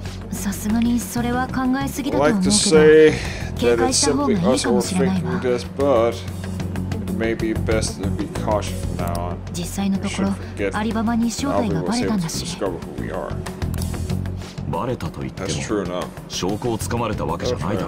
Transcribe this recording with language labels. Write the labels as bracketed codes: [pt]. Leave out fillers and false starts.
[ja] さすがにそれは考えすぎだと思うけど、警戒した方がいいかもしれないわ。 [en] This, best to be cautious from now on. [ja] 実際のところ、アリババに正体がバレたんだし。バレたと言っても、証拠をつかまれたわけじゃないだろ